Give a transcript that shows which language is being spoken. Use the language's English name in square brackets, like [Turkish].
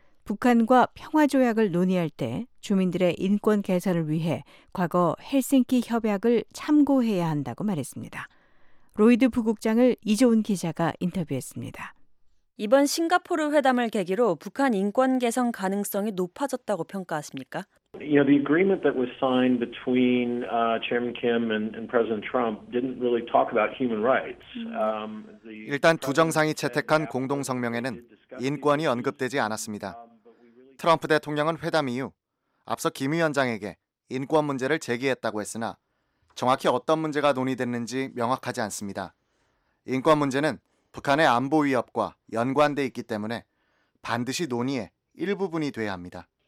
[Korean] 북한과 평화조약을 논의할 때 주민들의 인권 개선을 위해 과거 헬싱키 협약을 참고해야 한다고 말했습니다. 로이드 부국장을 이조은 기자가 인터뷰했습니다. 이번 싱가포르 회담을 계기로 북한 인권 개선 가능성이 높아졌다고 평가하십니까? [English] You know, the agreement that was signed between Chairman Kim and President Trump didn't really talk about human rights. [Korean] 일단 두 정상이 채택한 공동 성명에는 인권이 언급되지 않았습니다. 트럼프 대통령은 회담 이후 앞서 김 위원장에게 인권 문제를 제기했다고 했으나 정확히 어떤 문제가 논의됐는지 명확하지 않습니다. 인권 문제는 북한의 안보 위협과 연관돼 있기 때문에 반드시 논의의 일부분이 돼야 합니다.